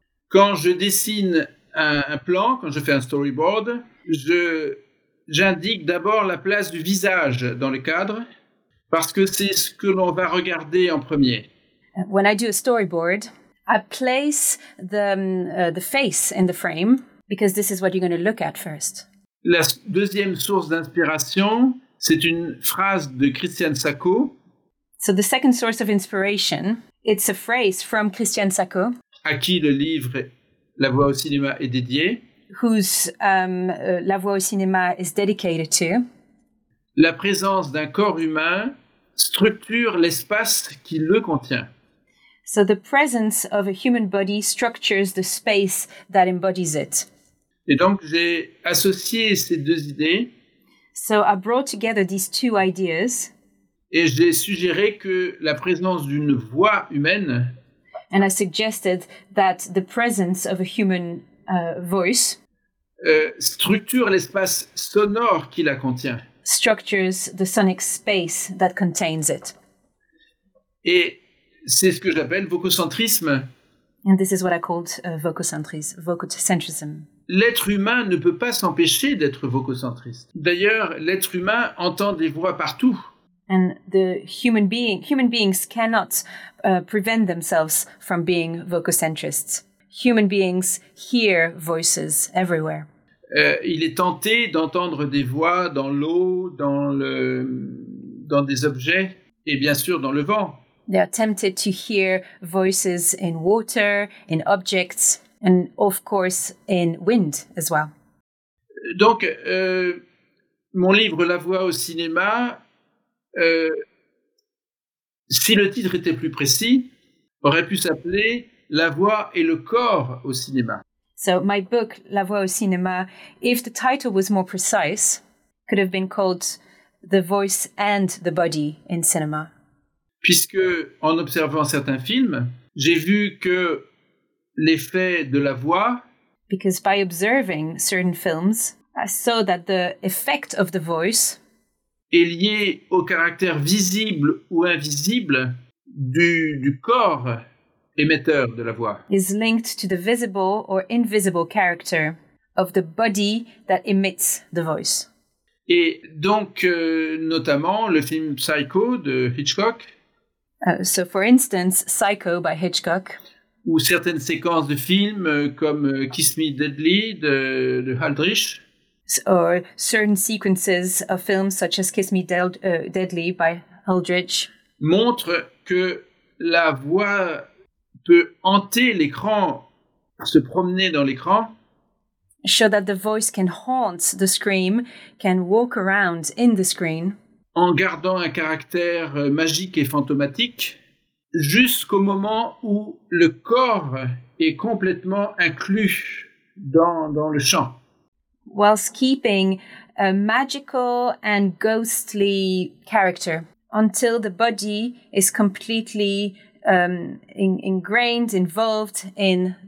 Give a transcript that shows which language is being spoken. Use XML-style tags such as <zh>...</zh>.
<fr>Quand je dessine un plan, quand je fais un storyboard, j'indique d'abord la place du visage dans le cadre, parce que c'est ce que l'on va regarder en premier.</fr> <en>When I do a storyboard, I place the face in the frame, because this is what you're going to look at first.</en> <fr>La deuxième source d'inspiration, c'est une phrase de Christiane Sacco.</fr> <en>So the second source of inspiration, it's a phrase from Christiane Sacco.</en> <fr>À qui le livre La Voix au cinéma est dédié.</fr> <en>Whose La Voix au cinéma is dedicated to.</en> <fr>La présence d'un corps humain structure l'espace qui le contient.</fr> <en>So the presence of a human body structures the space that embodies it.</en> <fr>Et donc j'ai associé ces deux idées.</fr> <en>So I brought together these two ideas.</en> <fr>Et j'ai suggéré que la présence d'une voix humaine.</fr> <en>And I suggested that the presence of a human voice.</en> <fr>Structure l'espace sonore qui la contient.</fr> <en>Structures the sonic space that contains it.</en> <fr>Et c'est ce que j'appelle vococentrisme.</fr> <en>And this is what I called vococentrism.</en> <fr>L'être humain ne peut pas s'empêcher d'être vococentriste. D'ailleurs, l'être humain entend des voix partout.</fr> <en>And the human beings cannot prevent themselves from being vococentrists. Human beings hear voices everywhere.</en> <fr>Il est tenté d'entendre des voix dans l'eau, dans des objets, et bien sûr dans le vent.</fr> <en>They are tempted to hear voices in water, in objects, and of course in wind as well.</en> <fr>Donc, mon livre La Voix au cinéma, si le titre était plus précis, aurait pu s'appeler La Voix et le corps au cinéma.</fr> <en>So my book La Voix au cinéma, if the title was more precise, could have been called The Voice and the Body in Cinema.</en> <fr>Puisque, en observant certains films, j'ai vu que l'effet de la voix.</fr> <en>Because by observing certain films, I saw that the effect of the voice</en> <fr>est lié au caractère visible ou invisible du corps émetteur de la voix.</fr> <en>Is linked to the visible or invisible character of the body that emits the voice.</en> <fr>Et donc, notamment, le film Psycho de Hitchcock.</fr> <en>So, for instance, Psycho by Hitchcock.</en> <fr>Ou certaines séquences de films comme Kiss Me Deadly de Aldrich.</fr> <en>Or certain sequences of films such as Kiss Me Deadly by Aldrich.</en> <fr>Montrent que la voix peut hanter l'écran, se promener dans l'écran.</fr> <en>Show that the voice can haunt the screen, can walk around in the screen.</en> <fr>En gardant un caractère magique et fantomatique, jusqu'au moment où le corps est complètement inclus dans le champ.</fr> <en>Whilst keeping a magical and ghostly character, until the body is completely ingrained, involved in</en>